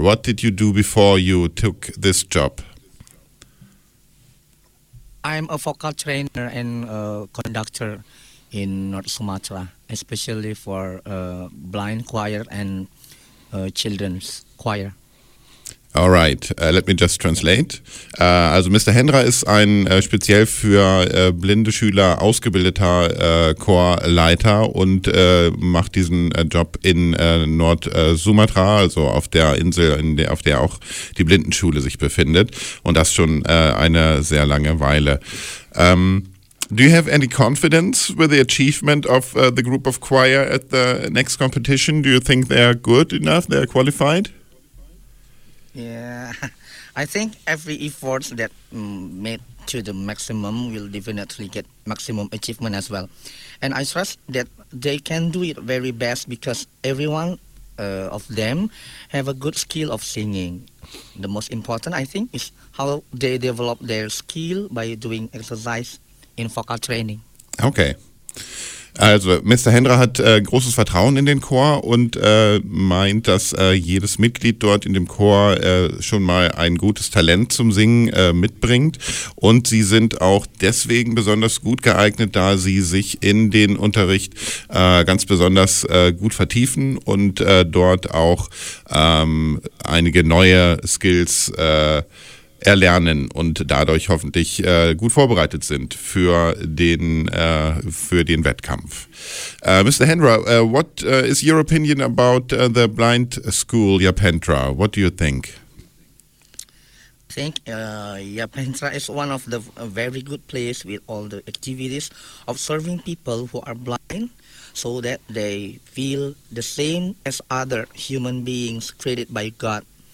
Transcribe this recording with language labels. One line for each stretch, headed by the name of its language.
English: What did you do before you took this job? I'm a vocal trainer and conductor in North Sumatra, especially for blind choir and children's choir. All right, let me just translate.
German: Also
English: Mr.
German: Hendra ist ein speziell für blinde Schüler ausgebildeter Chorleiter und macht diesen Job in Nord-Sumatra, also auf der Insel, auf der auch die Blindenschule sich befindet. Und das schon eine sehr lange Weile.
English: Do you have any confidence with the achievement of the group of choir at the next competition? Do you think they are good enough? They are qualified? Yeah, I think every effort that made to the maximum will definitely get maximum achievement as well. And I trust that they can do it very best because everyone of them have a good skill of singing. The most important, I think, is how they develop their skill by doing exercise in vocal training. Okay.
German: Also
English: Mr.
German: Hendra hat großes Vertrauen in den Chor und meint, dass jedes Mitglied dort in dem Chor schon mal ein gutes Talent zum Singen mitbringt. Und sie sind auch deswegen besonders gut geeignet, da sie sich in den Unterricht ganz besonders gut vertiefen und dort auch einige neue Skills erlernen und dadurch hoffentlich gut vorbereitet sind für den Wettkampf.
English: Mr. Hendra, what is your opinion about the blind school Yapendra? What do you think? I think Yapendra is one of the very good place with all the activities of serving people who are blind so that they feel the same as other human beings created by God.